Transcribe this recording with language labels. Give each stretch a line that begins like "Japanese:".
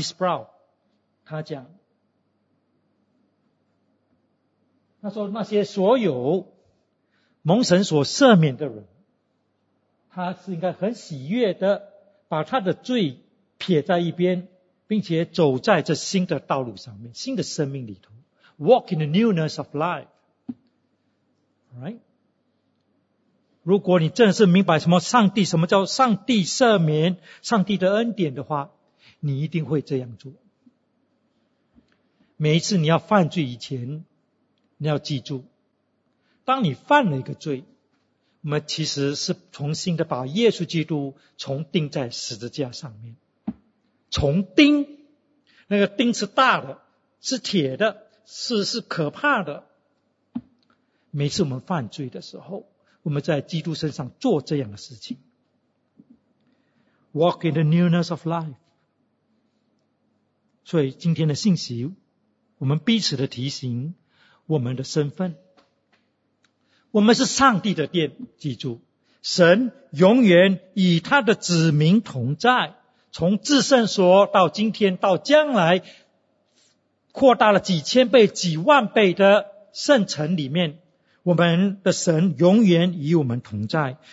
Chinese: Sproul, 他讲，他说那些所有蒙神所赦免的人，他是应该很喜悦的把他的罪撇在一边，并且走在这新的道路上面，新的生命里头。
English: Walk in the newness of life, right?
Chinese: 如果你真的是明白什么上帝，什么叫上帝赦免，上帝的恩典的话，你一定会这样做。每一次你要犯罪以前，你要记住，当你犯了一个罪，我们其实是重新的把耶稣基督重钉在十字架上面。重钉，那个钉是大的，是铁的，是可怕的。每次我们犯罪的时候，我们在基督身上做这样的事情。
English: Walk in the newness of life.
Chinese: 所以今天的信息，我们彼此的提醒我们的身份。我们是上帝的殿，记住，神永远与他的子民同在，从至圣所到今天到将来，扩大了几千倍几万倍的圣城里面，我们的神永远与我们同在。